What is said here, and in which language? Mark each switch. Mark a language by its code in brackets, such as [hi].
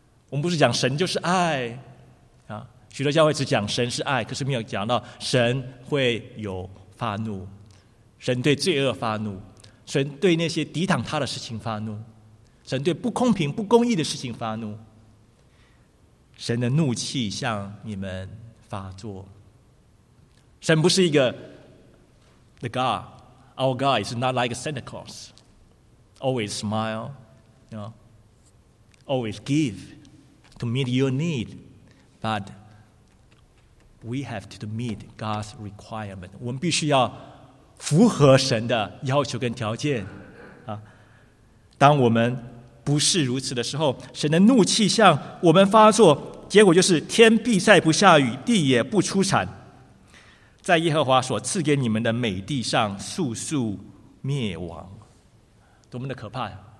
[zh] 我们不是讲神就是爱啊？许多教会只讲神是爱，可是没有讲到神会有发怒，神对罪恶发怒，神对那些抵挡他的事情发怒，神对不公平不公义的事情发怒，神的怒气向你们发作。神不是一个 [en] the God，Our God is not like Santa Claus, always smile, you know, always give. to meet your need, but we have to meet God's requirement. [zh] 我们必须要符合神的要求跟条件。当我们不是如此的时候，神的怒气向我们发作，结果就是天必再不下雨，地也不出产，在耶和华所赐给你们的美地上速速灭亡。多么的可怕呀！